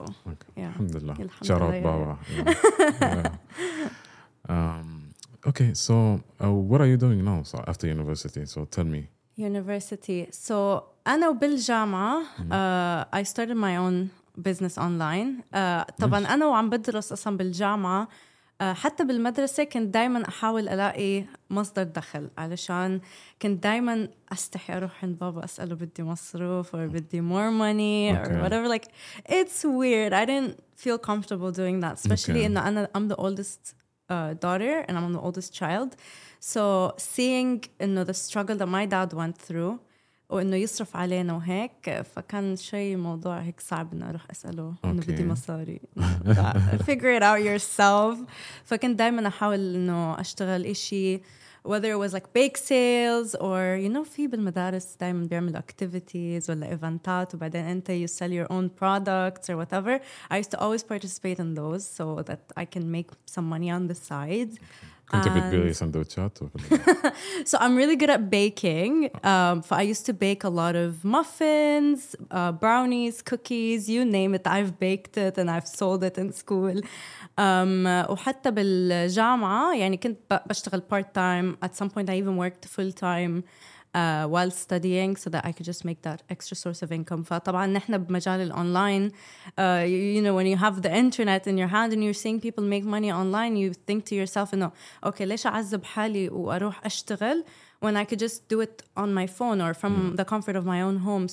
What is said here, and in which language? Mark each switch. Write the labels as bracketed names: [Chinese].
[English] okay. Yeah. Alhamdulillah. Shout out Baba. Yeah. Okay. So what are you doing now? So after university, so tell me. University. So [Arabic] أنا بالجامعة, [English] I started my own business online. [Arabic] طبعا nice. أنا وعم بدرس أصلا بالجامعة. حتى بالمدرسة كنت دايما أحاول ألاقي مصدر دخل, علشان كنت دايما أستحي أروح عند بابا أسأله بدي مصروف or بدي [English] more money or whatever. Like it's weird, I didn't feel comfortable doing that, especially [Arabic] إنه أنا [English] I'm the oldest daughter and I'm the oldest child. So seeing [Arabic] إنه [English] the struggle that my dad went through [Arabic] وإنه يصرف علينا وهيك, فكان شيء موضوع هيك صعب إنه أروح أسأله إنه بدي مصاري. [English] Figure it out yourself. [Arabic] فكنت دائما أحاول إنه أشتغل إشي, [English] whether it was like bake sales or you know [Arabic] في بالمدارس دائما بيعملوا activities ولا إيفنتات, وبعدين أنت [English] you sell your own products or whatever. I used to always participate in those so that I can make some money on the side. So I'm really good at baking. I used to bake a lot of muffins, brownies, cookies, you name it. I've baked it and I've sold it in school. [Arabic] وحتى بالجامعة يعني كنت بشتغل part-time. [English] At some point I even worked full-time while studying so that I could just make that extra source of income. [Arabic] فطبعا نحن بمجال الأونلاين, [English] you know, when you have the internet in your hand and you're seeing people make money online, you think to yourself, no, okay, [Arabic] ليش أعذب حالي وأروح أشتغل [English] when I could just do it on my phone or from the comfort of my own home.